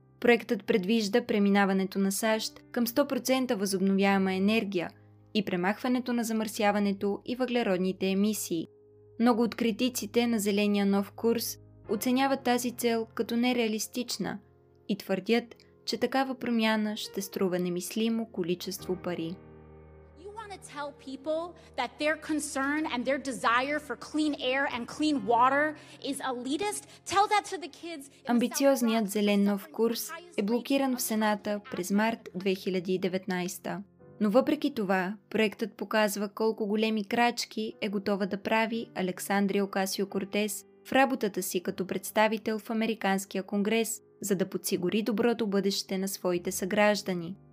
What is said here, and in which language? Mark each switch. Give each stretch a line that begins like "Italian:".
Bulgarian: Проектът предвижда преминаването на САЩ към 100% възобновяема енергия и премахването на замърсяването и въглеродните емисии. Много от критиците на Зеления нов курс оценяват тази цел като нереалистична и твърдят, че такава промяна ще струва немислимо количество пари.
English: You want to tell people that their concern and their desire for clean air and clean water is elitist? Tell that to the kids.
Bulgarian: Амбициозният зелен нов курс е блокиран в Сената през март 2019. Но въпреки това, проектът показва колко големи крачки е готова да прави Александрия Окасио-Кортес в работата си като представител в Американския конгрес, за да подсигури доброто бъдеще на своите съграждани.